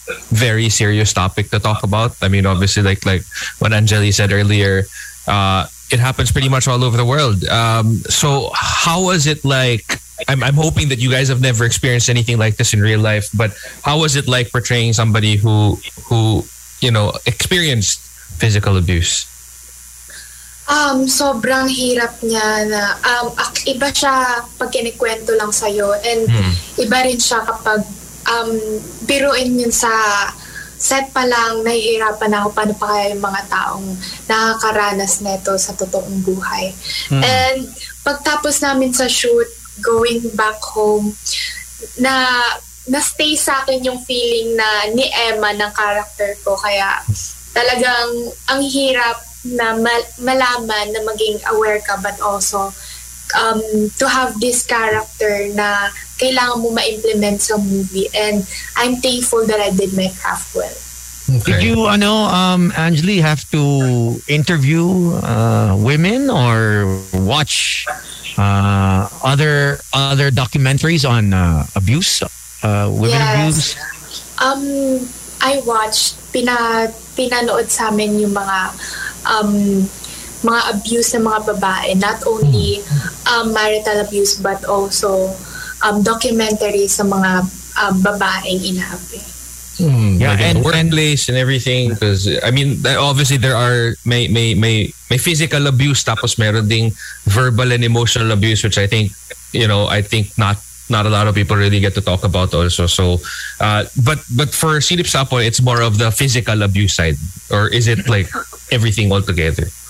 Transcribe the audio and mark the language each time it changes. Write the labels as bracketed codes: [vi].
[en] very serious topic to talk about. I mean, obviously, like what Anjali said earlier, it happens pretty much all over the world. So how was it like? I'm hoping that you guys have never experienced anything like this in real life, but how was it like portraying somebody who you know, experienced physical abuse? [tl] Sobrang hirap niya na iba siya pag kinikwento lang sa'yo and iba rin siya kapag biruin yun sa set pa lang, nahihirapan ako paano pa kaya yung mga taong nakakaranas nito sa totoong buhay. And pagtapos namin sa shoot, [en] going back home, [tl] na stay sa akin yung feeling na ni Emma ng character ko, kaya talagang ang hirap na malaman na maging aware ka, [en] but also to have this character [tl] na kailangan mo ma-implement sa movie, [en] and I'm thankful that I did my craft well. Okay. Did you Anjali have to interview women or watch other documentaries on abuse, women abuse? I watched [tl] pinanood sa amin yung mga abuse ng mga babae, [en] not only marital abuse but also documentaries [tl] sa mga babaeng inahapi. [en] And workplace and everything, because I mean obviously there are may physical abuse, [tl] tapos meron ding [en] verbal and emotional abuse, which I think not a lot of people really get to talk about also. So but for Silip Sapo, it's more of the physical abuse side, or is it like everything altogether?